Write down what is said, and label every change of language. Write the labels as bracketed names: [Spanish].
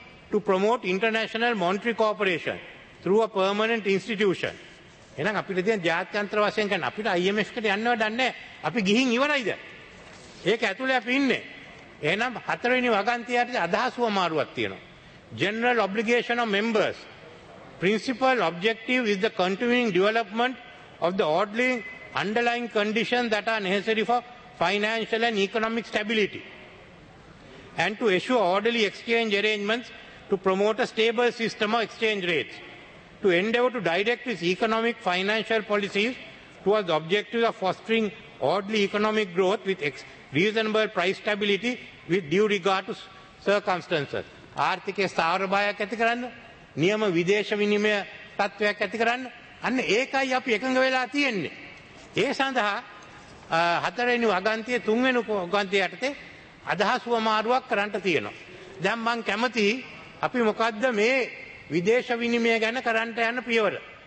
[English] To promote international monetary cooperation through a permanent institution. [Sinhala] එනං අපිට දැන් ජාත්‍යන්තර වශයෙන් ගන්න අපිට IMF එකට යන්නව දන්නේ. අපි ගිහින් ඉවරයිද? ඒක ඇතුලේ අපි ඉන්නේ. එහෙනම් හතරවෙනි වගන්තියට අදහස් වමාරුවක් තියෙනවා. [English] General obligation of members. Principal objective is the continuing development of the orderly underlying conditions that are necessary for financial and economic stability. And to ensure orderly exchange arrangements to promote a stable system of exchange rates. To endeavor to direct its economic financial policies towards the objective of fostering orderly economic growth with reasonable price stability with due regard to circumstances. [Sinhala] ආර්ථිකයේ ස්ථාවරභාවයක් ඇති කරන්න, නියම විදේශ විනිමය තත්ත්වයක් ඇති කරන්න, අන්න ඒකයි අපි එකඟ වෙලා තියෙන්නේ. ඒ සඳහා හතරවෙනි වගන්තිය තුන්වෙනි වගන්තිය යටතේ අදහස් වමාරුවක් කරන්න තියෙනවා. දැන් මම කැමති අපි මොකද්ද මේ විදේශ විනිමය ගැන කරන්න යන පියවර.